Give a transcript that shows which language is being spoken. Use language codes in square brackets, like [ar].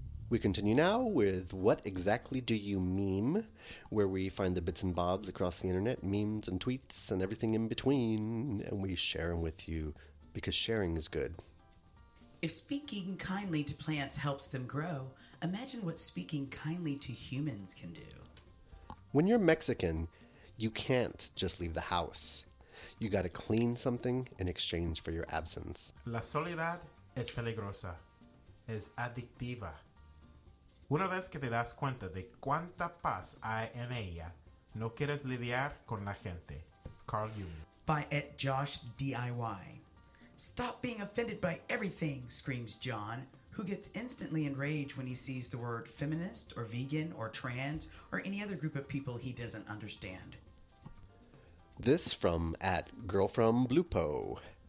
[en] We continue now with What Exactly Do You Meme, where we find the bits and bobs across the internet, memes and tweets and everything in between, and we share them with you, because sharing is good. If speaking kindly to plants helps them grow, imagine what speaking kindly to humans can do. When you're Mexican, you can't just leave the house. You gotta clean something in exchange for your absence. [es] La soledad es peligrosa, es adictiva. Una vez que te das cuenta de cuánta paz hay en ella, no quieres lidiar con la gente. [en] Carl Jung. By Josh DIY. Stop being offended by everything, screams John, who gets instantly enraged when he sees the word feminist or vegan or trans or any other group of people he doesn't understand. This from @girlfrombloopo.